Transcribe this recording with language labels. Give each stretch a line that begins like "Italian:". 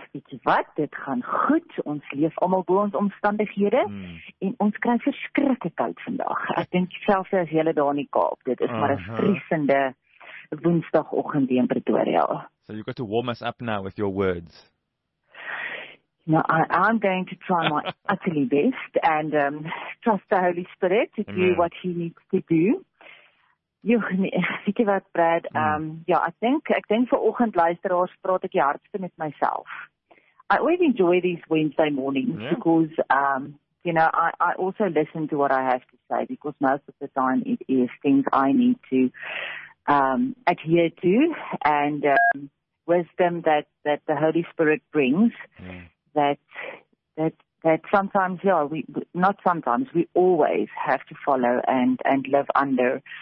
Afrikaans: Weet jy wat, dit gaan goed. Ons leef allemaal bo ons omstandighede en ons krijg verskrikke koud vandag. Ek denk selfs as jy daar in die Kaap, dit is maar 'n vriesende woensdagoggend in Pretoria.
English: So you've got to warm us up now with your words. No, I'm going to try my utterly best and trust the Holy Spirit to do what he needs to do.
Afrikaans: Weet jy wat, Brad? Ja, ek denk vir oggend luisteraars praat ek die hardste met myself.
English: I always enjoy these Wednesday mornings because, you know, I also listen to what I have to say because most of the time it is things I need to adhere to and wisdom that the Holy Spirit brings that sometimes, yeah, we always have to follow and live under.